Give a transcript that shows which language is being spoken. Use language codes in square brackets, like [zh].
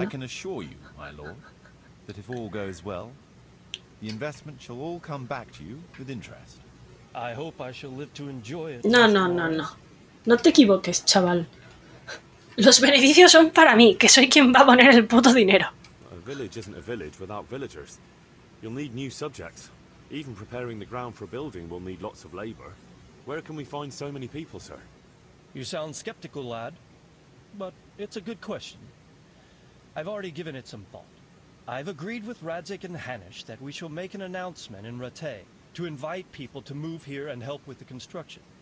[en] I can assure you, my lord, that if all goes well, the investment shall all come back to you with interest. I hope I shall live to enjoy it. [es] No. No te equivoques, chaval. Los beneficios son para mí, que soy quien va a poner el puto dinero. [en] A village isn't a village without villagers. You'll need new subjects. Even preparing the ground for a building will need lots of labor. Where can we find so many people, sir? You sound skeptical, lad. But it's a good question. I've already given it some thought. I've agreed with Radzik and Hanish that we shall make an announcement in Rate to invite people to move here and help with the construction.